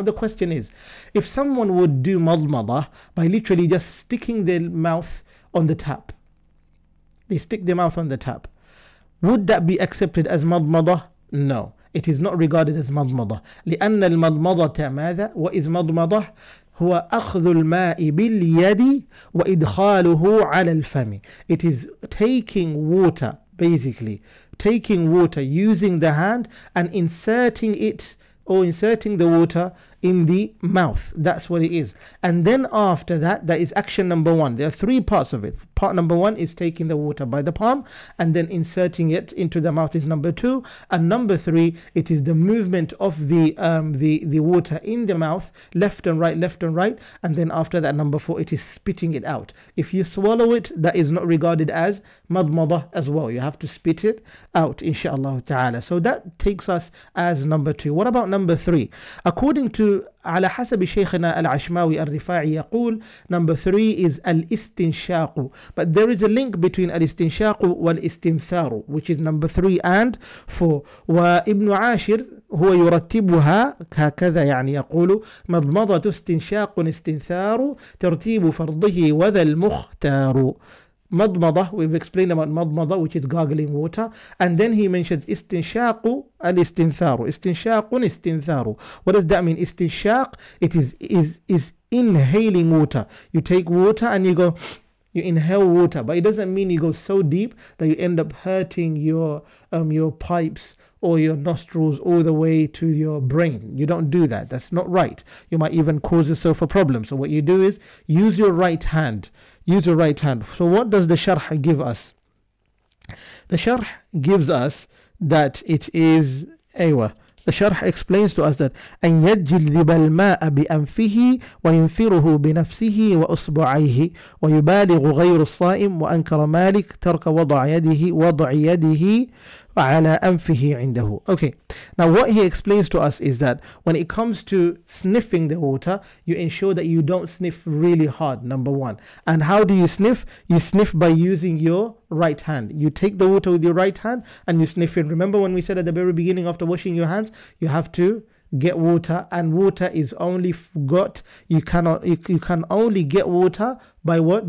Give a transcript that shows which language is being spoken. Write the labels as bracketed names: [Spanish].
[English] Now the question is, if someone would do madmada by literally just sticking their mouth on the tap, they stick their mouth on the tap, would that be accepted as madmada? No, it is not regarded as madmada. [Arabic] لأن المضمضة ماذا؟ [English] What is madmada? [Arabic] هو أخذ الماء باليد وإدخاله على الفم. [English] It is taking water, basically. Taking water, using the hand and inserting it, or inserting the water in the mouth. That's what it is. And then after that, that is action number one. There are three parts of it. Part number one is taking the water by the palm and then inserting it into the mouth is number two. And number three, it is the movement of the water in the mouth, left and right. And then after that, number four, it is spitting it out. If you swallow it, that is not regarded as madmada as well. You have to spit it out, inshallah ta'ala. So that takes us as number two. What about number three? According to [Arabic] على حسب شيخنا العشماوي الرفاعي يقول [English] number three is [Arabic] الاستنشاق. [English] But there is a link between الاستنشاق والاستنثار, which is number three and four. [Arabic] وابن عاشر هو يرتبها هكذا يعني يقول مضمضة استنشاق استنثار ترتيب فرضه وذا المختار. [English] مضمضة, we've explained about مضمضة, which is gargling water, and then he mentions استنشاق الاستنثار. استنشاق استنثار, what does that mean? استنشاق, it is inhaling water. You take water and you go, you inhale water, but it doesn't mean you go so deep that you end up hurting your pipes or your nostrils all the way to your brain. You don't do that, that's not right. You might even cause yourself a problem. So what you do is use your right hand. Use your right hand. So what does the sharh give us? The sharh gives us that it is aywa. The sharh explains to us that [Arabic] أن يجلب الماء بأنفه وينثره بنفسه وأصبعيه ويبالغ غير الصائم وأنكر مالك ترك وضع يده على أنفه عنده. [English] Okay. Now what he explains to us is that when it comes to sniffing the water, you ensure that you don't sniff really hard, number one. And how do you sniff? You sniff by using your right hand. You take the water with your right hand and you sniff it. Remember when we said at the very beginning, after washing your hands, you have to get water, and water is only got, you can only get water by what?